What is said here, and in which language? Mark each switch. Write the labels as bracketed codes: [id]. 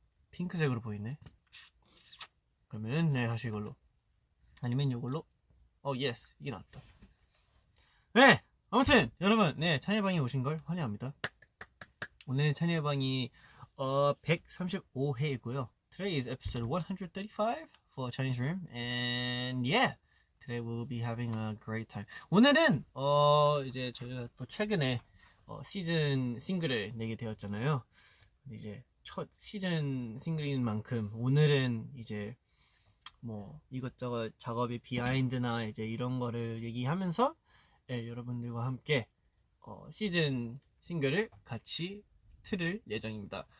[ko] 핑크색으로 보이네. 그러면 네 하실 걸로. 아니면 이걸로. 어 예스 이게 낫다. 네 아무튼 여러분 네 찬이의 방에 오신 걸 환영합니다. 오늘 찬이의 방이 135회이고요. [en] Today is episode 135 for Chinese Room and yeah. Today we'll be having a great time. [ko] 오늘은 이제 저희가 또 최근에 시즌 싱글을 내게 되었잖아요. 이제 첫 시즌 싱글인 만큼 오늘은 이제 뭐 이것저것 작업의 비하인드나 이제 이런 거를 얘기하면서 예, 여러분들과 함께 시즌 싱글을 같이 틀을 예정입니다.